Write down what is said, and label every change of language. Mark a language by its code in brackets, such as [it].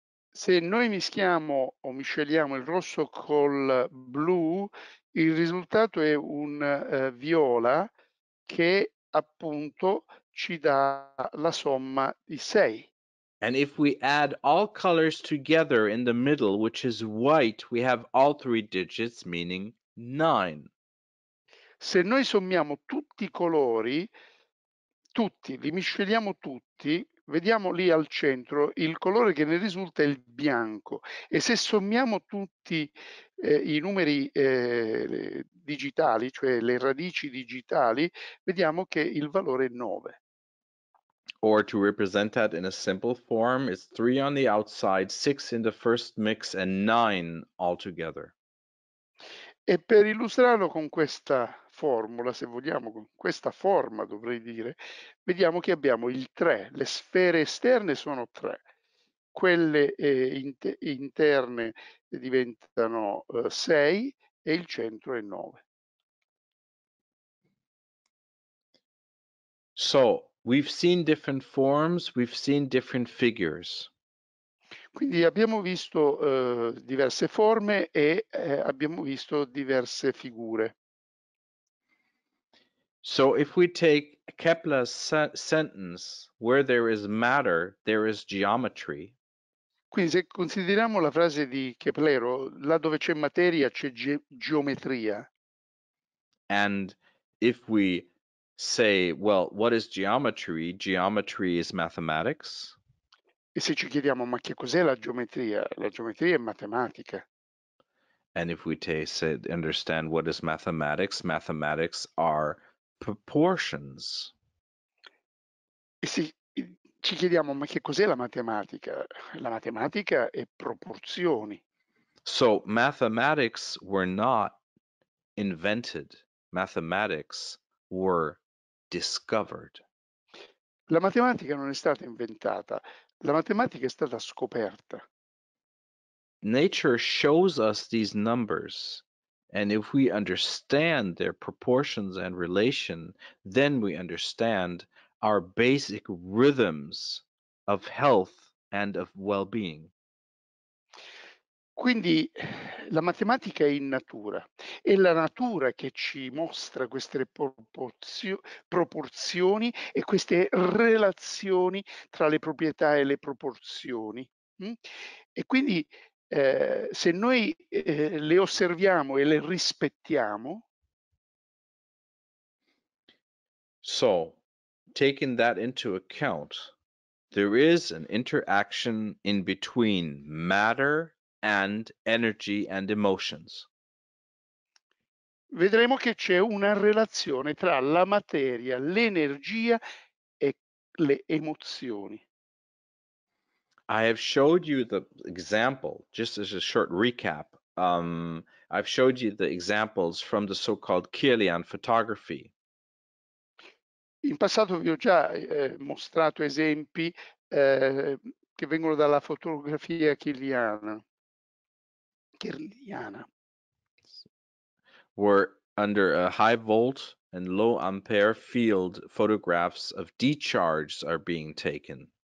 [it] Se noi mischiamo o misceliamo il rosso col blu, il risultato è un viola che appunto ci dà la somma di 6. [en] And if we add all colors together in the middle, which is white, we have all three digits, meaning 9. [it] Se noi sommiamo tutti i colori, tutti, li misceliamo tutti, vediamo lì al centro il colore che ne risulta è il bianco. E se sommiamo tutti i numeri digitali, cioè le radici digitali, vediamo che il valore è 9. [en] Or to represent that in a simple form, it's 3 on the outside, 6 in the first mix and 9 altogether. [it] E per illustrarlo con questa formula, se vogliamo, con questa forma dovrei dire, vediamo che abbiamo il 3, le sfere esterne sono 3, quelle interne diventano 6 e il centro è 9. [en] So, we've seen different forms, we've seen different figures. [it] Quindi abbiamo visto diverse forme e abbiamo visto diverse figure. [en] So if we take Kepler's sentence, where there is matter, there is geometry. [it] Quindi se consideriamo la frase di Keplero, là dove c'è materia c'è geometria. [en] And if we say, well, what is geometry? Geometry is mathematics. [it] E se ci chiediamo, ma che cos'è la geometria? La geometria è matematica. [en] And if we understand what is mathematics, mathematics are proportions. [it] Sì, ci chiediamo, ma che cos'è la matematica? La matematica è proporzioni. [en] So mathematics were not invented. Mathematics were discovered. [it] La matematica non è stata inventata. La matematica è stata scoperta. [en] Nature shows us these numbers, and if we understand their proportions and relation, then we understand our basic rhythms of health and of well-being. [it] Quindi la matematica è in natura, è la natura che ci mostra queste proporzioni e queste relazioni tra le proprietà e le proporzioni. E quindi se noi le osserviamo e le rispettiamo. [en] So, taking that into account, there is an interaction in between matter and energy and emotions. [it] Vedremo che c'è una relazione tra la materia, l'energia e le emozioni. [en] I have showed you the example, just as a short recap, I've showed you the examples from the so-called Kirlian photography. [it] In passato vi ho già mostrato esempi che vengono dalla fotografia kirliana. [en] Were under a high volt and low ampere field, photographs of discharge are being taken.